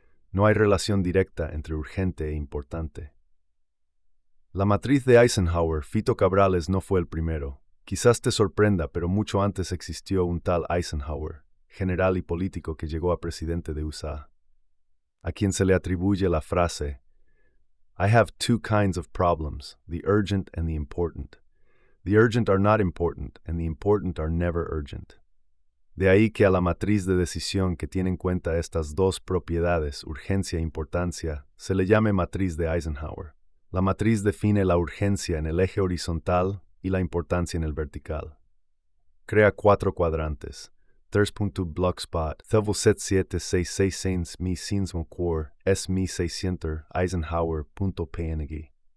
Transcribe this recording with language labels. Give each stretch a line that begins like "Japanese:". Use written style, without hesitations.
Spanish: No hay relación directa entre urgente e importante. La matriz de Eisenhower, Fito Cabrales, no fue el primero. Quizás te sorprenda, pero mucho antes existió un tal Eisenhower, general y político que llegó a presidente de USA, a quien se le atribuye la frase
English: «I have two kinds of problems, the urgent and the important. The urgent are not important, and the important are never urgent».
Spanish: De ahí que a la matriz de decisión que tiene en cuenta estas dos propiedades, urgencia e importancia, se le llame matriz de Eisenhower. La matriz define la urgencia en el eje horizontal y la importancia en el vertical. Crea cuatro cuadrantes. 3.2 Blockspot, 777-666-Mi-Sins-Mo-Core-S-Mi-600-Eisenhower.png.